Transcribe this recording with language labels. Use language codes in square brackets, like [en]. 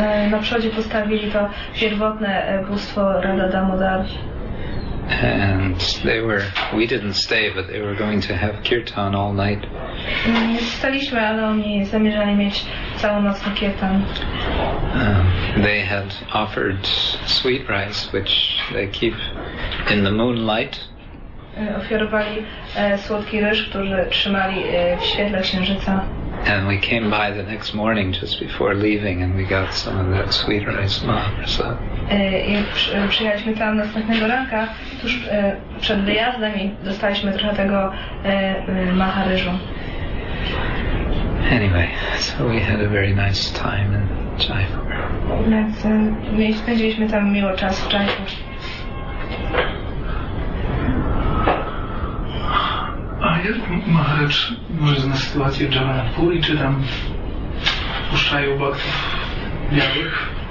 [pl] Na przodzie postawili to pierwotne bóstwo Radha Damodar. [en] And we didn't stay, but they were going to have kirtan all night. [pl] Staliśmy, ale oni zamierzali mieć całą noc na kirtan. [en] They had offered sweet rice, which they keep in the moonlight. [pl] Oferowali słodki ryż, który trzymali w świetle księżyca. [en] And we came by the next morning just before leaving and we got some of that sweet rice mahaprasad. [pl] I przyjechaliśmy tam następnego ranka, tuż przed wyjazdem, i dostaliśmy trochę tego maharyżu. [en] Anyway, so we had a very nice time in Jaipur. [pl] Spędziliśmy tam miło czas w Jaipur. A jak Maharaj może zna sytuację w Jaipur i czy tam puszczają baktów białych?